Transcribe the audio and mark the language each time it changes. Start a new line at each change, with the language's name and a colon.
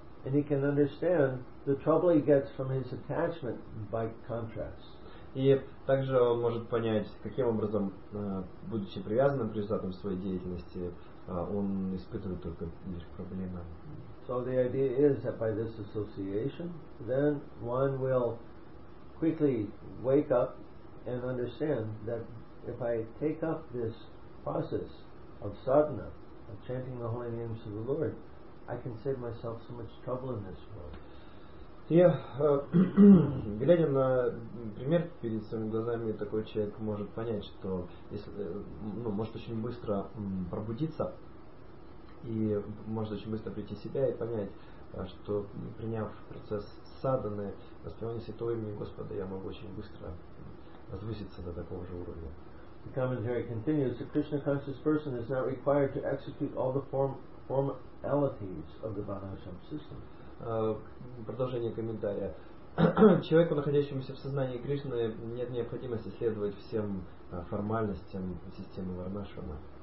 English: And he can understand the trouble he gets from his attachment by contrast.
Russian: И также он может понять, каким образом, будучи привязанным к результатам своей деятельности, он испытывает только лишь проблемы.
English: So the idea is that by this association, then one will quickly wake up and understand that if I take up this process of sadhana, of chanting the holy names of the Lord, I can save myself so much trouble in this world.
Russian: И глядя на пример перед своими глазами, такой человек может понять, что может очень быстро пробудиться и может очень быстро прийти в себя и понять, что приняв процесс садханы, воспевание святого имени Господа, я могу очень быстро возвыситься до такого же уровня.
English: The commentary continues, the Krishna conscious person is not required to execute all the formalities of the Varnashram system.
Russian: Продолжение комментария. Человеку, находящемуся в сознании Кришны, нет необходимости следовать всем формальностям системы Варнашрама.